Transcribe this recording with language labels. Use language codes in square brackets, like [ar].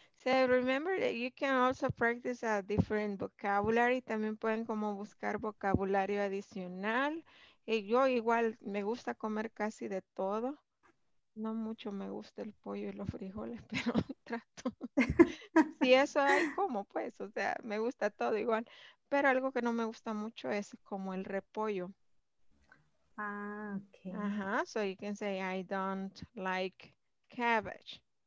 [en] So remember that you can also practice a different vocabulary. [es] También pueden como buscar vocabulario adicional. Y yo igual me gusta comer casi de todo. No mucho me gusta el pollo y los frijoles, pero trato. Si eso hay, como pues, o sea, me gusta todo igual. Pero algo que no me gusta mucho es como el repollo. Ah, okay. [en] Ajá, so you can say, I don't like cabbage.